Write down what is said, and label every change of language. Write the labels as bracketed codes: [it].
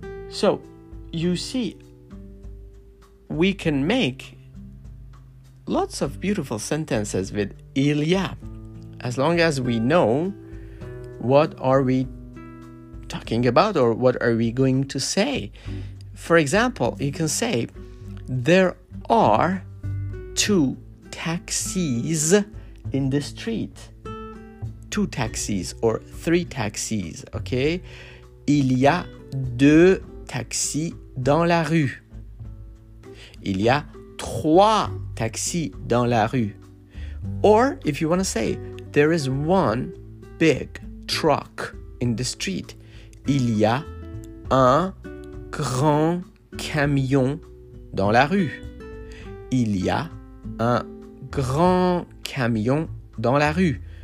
[en] So, you see, we can make lots of beautiful sentences with il y a, as long as we know what are we talking about or what are we going to say. For example, you can say, there are two taxis in the street. Two taxis or three taxis, okay? [fr] Il y a deux taxis dans la rue. Il y a trois taxis dans la rue. [en] Or, if you want to say, there is one big truck in the street. [fr] Il y a un grand camion dans la rue. Il y a un grand camion dans la rue.